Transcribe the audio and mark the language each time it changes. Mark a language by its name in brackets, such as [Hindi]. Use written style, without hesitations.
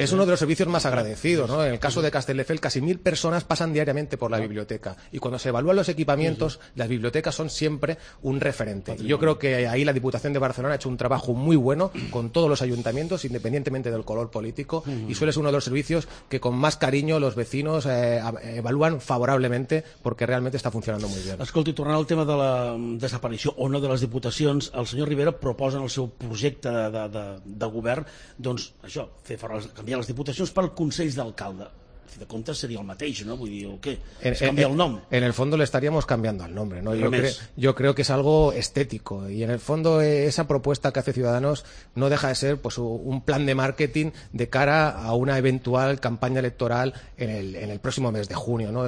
[Spanish] Es uno de los servicios más agradecidos, ¿no? En el caso de Castelldefels, casi 1.000 personas pasan diariamente por la biblioteca, y cuando se evalúan los equipamientos, las bibliotecas son siempre un referente. Yo creo que ahí la Diputación de Barcelona ha hecho un trabajo muy bueno con todos los ayuntamientos, independientemente del color político, y suele ser uno de los servicios que con más cariño los vecinos evalúan favorablemente, porque realmente está funcionando muy bien. [Catalan] Escolti, tornant al tema de la desaparició o no de les diputacions, el senyor Rivera proposa en el seu projecte de govern, doncs, això, canviar les diputacions pel Consell d'Alcalde. fi de comptes seria el mateix, no? Vull dir, o què? Canviar el nom. [Spanish] En el fondo le estaríamos cambiando el nombre, ¿no? Yo creo que es algo estético y en el fondo esa propuesta que hace Ciudadanos no deja de ser pues un plan de marketing de cara a una eventual campaña electoral en el próximo mes de junio, ¿no?